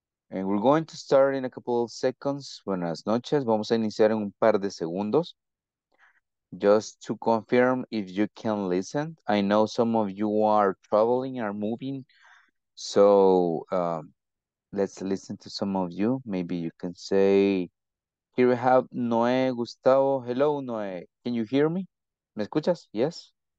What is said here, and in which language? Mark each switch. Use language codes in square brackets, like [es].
[en] And we're going to start in a couple of seconds. [es] Buenas noches. Vamos a iniciar en un par de segundos. [en] Just to confirm if you can listen. I know some of you are traveling or moving. So let's listen to some of you. Maybe you can say, here we have Noé Gustavo. Hello, Noé. Can you hear me? [es] ¿Me escuchas? [en] Yes.